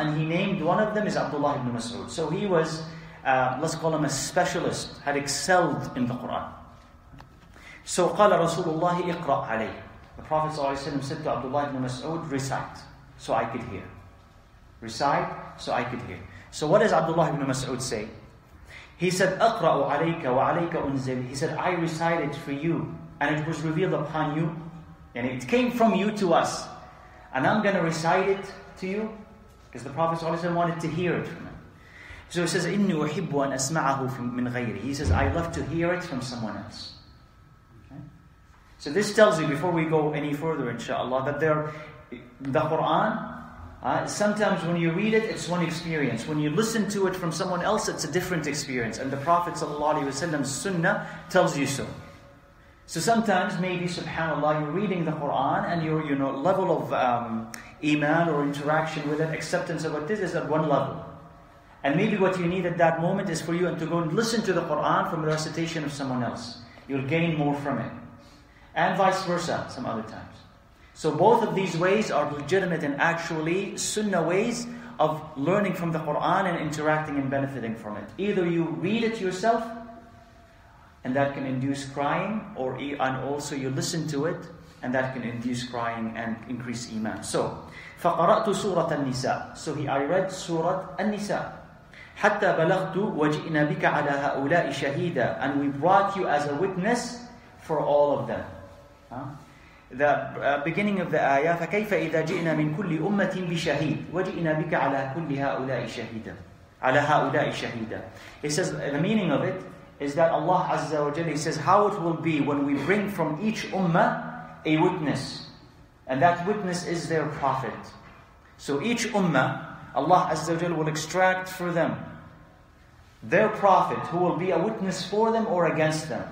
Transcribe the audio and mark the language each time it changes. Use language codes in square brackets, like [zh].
[en] And he named one of them is Abdullah ibn Mas'ud. So he was, let's call him a specialist, had excelled in the Qur'an. So [ar] قَالَ رَسُولُ اللَّهِ اِقْرَأْ عَلَيْهِ. [en] The Prophet ﷺ said to Abdullah ibn Mas'ud, recite so I could hear. Recite so I could hear. So what does Abdullah ibn Mas'ud say? He said, [ar] أَقْرَأُ عَلَيْكَ وَعَلَيْكَ أُنزِلْ. [en] He said, I recited for you, and it was revealed upon you, and it came from you to us, and I'm going to recite it to you, because the Prophet ﷺ wanted to hear it from him. So he says, [ar] إِنِّي أُحِبُّ أَنْ أَسْمَعَهُ مِنْ غَيْرِ. [en] He says, I love to hear it from someone else. Okay? So this tells you, before we go any further, inshallah, that there, the Qur'an, sometimes when you read it, it's one experience. When you listen to it from someone else, it's a different experience. And the Prophet ﷺ's sunnah tells you so. So sometimes, maybe, subhanAllah, you're reading the Qur'an and your level of iman or interaction with it, acceptance of what this is at one level. And maybe what you need at that moment is for you to go and listen to the Qur'an from the recitation of someone else. You'll gain more from it. And vice versa, some other times. So both of these ways are legitimate and actually sunnah ways of learning from the Qur'an and interacting and benefiting from it. Either you read it yourself, and that can induce crying, and also you listen to it, and that can induce crying and increase iman. [ar] So, فَقَرَأْتُ سُورَةَ النِّسَاءِ. [en] So I read Surah An-Nisa. [ar] حَتَّى بَلَغْتُ وَجِئْنَا بِكَ عَلَى هَؤُلَاءِ شَهِيدًا. [en] And we brought you as a witness for all of them. The beginning of the ayah, [ar] فَكَيْفَ إِذَا جِئْنَا مِنْ كُلِّ أُمَّةٍ بِشَهِيدٍ وَجِئْنَا بِكَ عَلَى كُلِّ هَؤُلَاءِ شَهِيدًا عَلَى هَؤُلَاءِ شَهِيدًا. [en] It says, the meaning of it is that Allah Azza wa Jalla, he says, how it will be when we bring from each ummah a witness. And that witness is their prophet. So each ummah, Allah Azza wa Jalla will extract for them their prophet who will be a witness for them or against them.